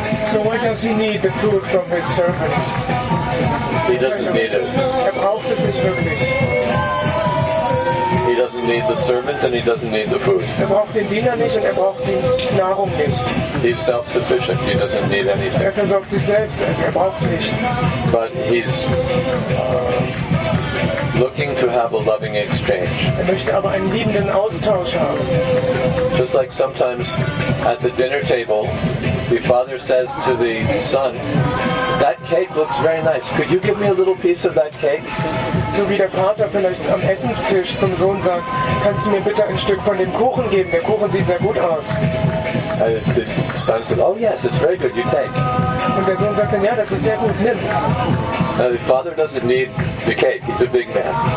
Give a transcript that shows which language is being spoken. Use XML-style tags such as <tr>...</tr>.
<en>So why does he need the food from his servants? He doesn't need it.</en> <de>Er braucht es nicht wirklich.</de> <en>He doesn't need the servants and he doesn't need the food.</en> <de>Er braucht den Diener nicht und er braucht die Nahrung nicht.</de> <en>He's self-sufficient, he doesn't need anything.</en> <de>Er versorgt sich selbst, also er braucht nichts.</de> <en>But he's looking to have a loving exchange.</en> <de>Er möchte aber einen liebenden Austausch haben.</de> <en>Just like sometimes at the dinner table, the father says to the son, that cake looks very nice. Could you give me a little piece of that cake?</en> <de>So wie der Vater vielleicht am Essenstisch zum Sohn sagt, kannst du mir bitte ein Stück von dem Kuchen geben? Der Kuchen sieht sehr gut aus.</de> <en>And the son said, oh yes, it's very good, you take.</en> <de>Und der Sohn sagt dann, ja, das ist sehr gut, nimm.</de> <en>Now the father doesn't need the cake, he's a big man.</en>